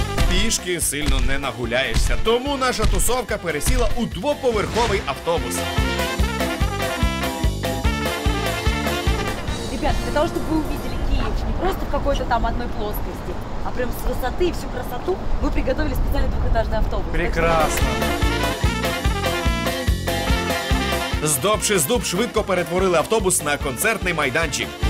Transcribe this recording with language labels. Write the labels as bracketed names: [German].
[Ukrainian] Пішки сильно не нагуляєшся, тому наша тусовка пересіла у двоповерховий автобус. [Russian] Ребята, для того, чтобы вы увидели Киев не просто в какой-то там одной плоскости, а прям с высоты и всю красоту, мы приготовили специальный двухэтажный автобус. Прекрасно. [Ukrainian] «Здобши з дуб» швидко перетворили автобус на концертний майданчик.